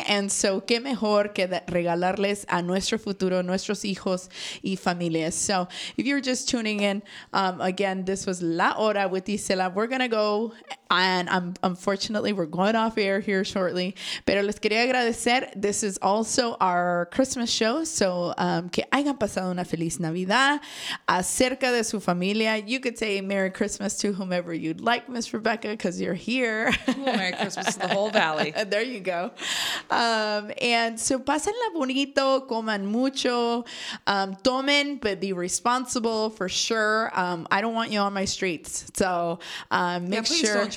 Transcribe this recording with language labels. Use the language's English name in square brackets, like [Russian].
[English] And so, [Spanish] qué mejor que regalarles a nuestro futuro, nuestros hijos y familias. [English] So, if you're just tuning in, again, this was La Hora with Isela. We're going to go. And unfortunately, we're going off air here shortly. [Spanish] Pero les quería agradecer. [English] This is also our Christmas show. [Spanish] So, que hayan pasado una feliz Navidad acerca de su familia. [English] You could say Merry Christmas to whomever you'd like, Miss Rebecca, because you're here. Merry Christmas to the whole valley. There you go. And so, [Spanish] pásenla bonito, coman mucho, tomen, [English] but be responsible for sure. I don't want you on my streets. So, make sure.